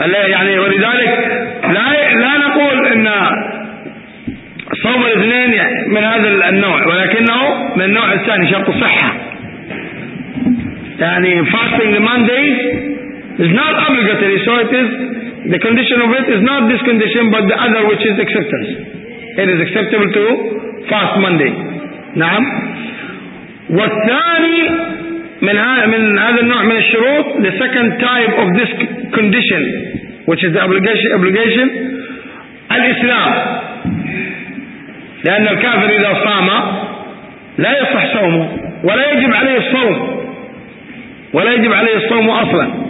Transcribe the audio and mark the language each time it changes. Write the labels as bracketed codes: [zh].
[ar] يعني ولذلك لا نقول أن صوم الاثنين من هذا النوع, ولكنه من النوع الثاني, شرط صحة. يعني [en] fasting the Mondays is not obligatory, so it is the condition of it is not this condition but the other, which is acceptance. It is acceptable to fast Monday. [ar] نعم. والثاني من هذا النوع من الشروط, [en] the second type of this condition, which is the obligation, [ar] الإسلام. لأن الكافر إذا صام لا يصح صومه ولا يجب عليه الصوم, ولا يجب عليه الصوم أصلا.